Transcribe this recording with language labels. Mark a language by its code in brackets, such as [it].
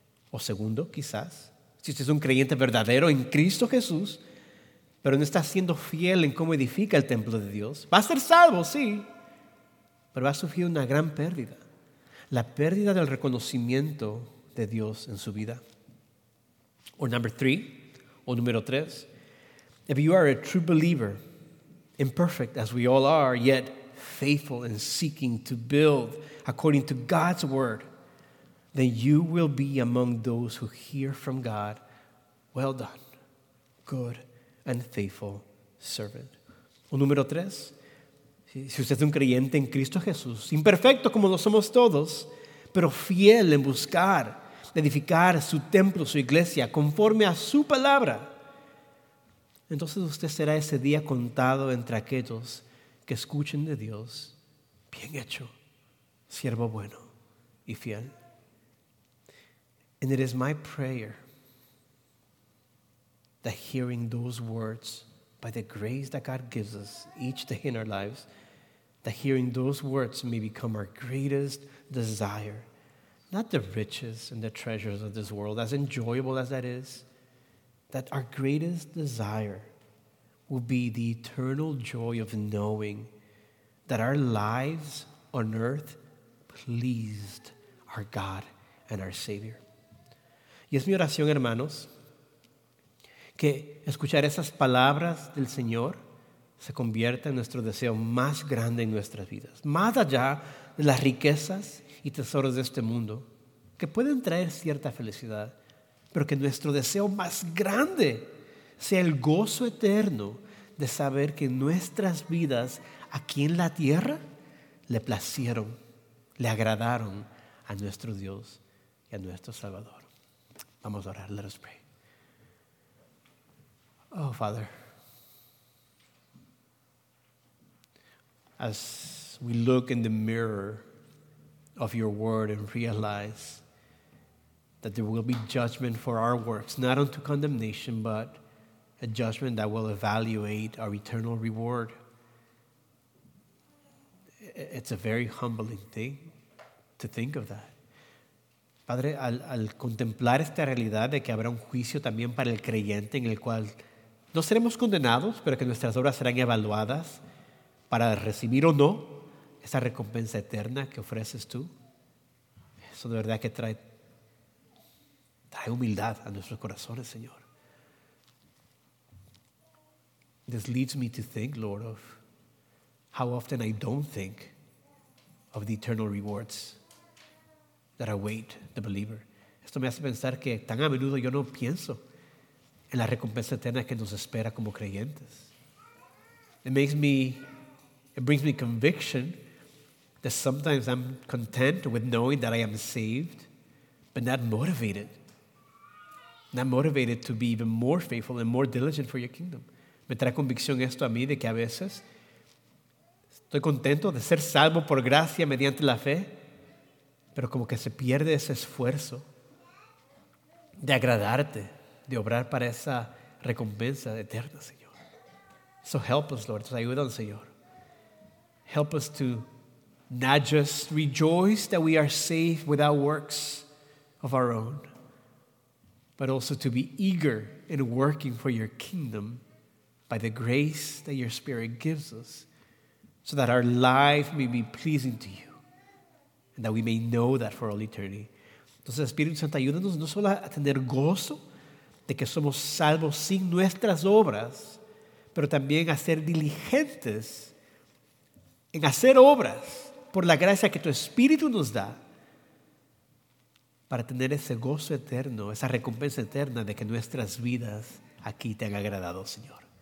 [es] O segundo, quizás, si usted es un creyente verdadero en Cristo Jesús, pero no está siendo fiel en cómo edifica el templo de Dios, va a ser salvo, sí, pero va a sufrir una gran pérdida, la pérdida del reconocimiento de Dios en su vida. [en] Or number three, [es] o número tres, [en] if you are a true believer, imperfect as we all are, yet faithful in seeking to build according to God's word, then you will be among those who hear from God, well done, good and faithful servant. [es] O número tres, si usted es un creyente en Cristo Jesús, imperfecto como lo somos todos, pero fiel en buscar edificar su templo, su iglesia, conforme a su palabra, entonces usted será ese día contado entre aquellos que escuchen de Dios, bien hecho, siervo bueno y fiel. [en] And it is my prayer that hearing those words by the grace that God gives us each day in our lives, that hearing those words may become our greatest desire. Not the riches and the treasures of this world, as enjoyable as that is, that our greatest desire will be the eternal joy of knowing that our lives on earth pleased our God and our Savior. [es] Y es mi oración, hermanos, que escuchar esas palabras del Señor se convierta en nuestro deseo más grande en nuestras vidas, más allá de las riquezas y tesoros de este mundo, que pueden traer cierta felicidad, pero que nuestro deseo más grande sea el gozo eterno de saber que nuestras vidas aquí en la tierra le placieron, le agradaron a nuestro Dios y a nuestro Salvador. Vamos a orar. [en] Let us pray. Oh, Father, as we look in the mirror of your word and realize that there will be judgment for our works, not unto condemnation, but a judgment that will evaluate our eternal reward. It's a very humbling thing to think of that. [es] Padre, al contemplar esta realidad de que habrá un juicio también para el creyente en el cual no seremos condenados, pero que nuestras obras serán evaluadas para recibir o no esa recompensa eterna que ofreces tú, eso de verdad que trae humildad a nuestros corazones, Señor. [en] This leads me to think, Lord, of how often I don't think of the eternal rewards that await the believer. [es] Esto me hace pensar que tan a menudo yo no pienso en la recompensa eterna que nos espera como creyentes. [en] It brings me conviction that sometimes I'm content with knowing that I am saved, but not motivated to be even more faithful and more diligent for your kingdom. [es] Me trae convicción esto a mí de que a veces estoy contento de ser salvo por gracia mediante la fe, pero como que se pierde ese esfuerzo de agradarte, de obrar para esa recompensa eterna, Señor. [en] So help us, Lord. [es] Entonces, ayúdanos, Señor. [en] Help us to not just rejoice that we are saved without works of our own, but also to be eager in working for your kingdom by the grace that your Spirit gives us, so that our life may be pleasing to you and that we may know that for all eternity. [es] Entonces, Espíritu Santo, ayúdanos no solo a tener gozo de que somos salvos sin nuestras obras, pero también a ser diligentes en hacer obras por la gracia que tu Espíritu nos da, para tener ese gozo eterno, esa recompensa eterna de que nuestras vidas aquí te han agradado, Señor.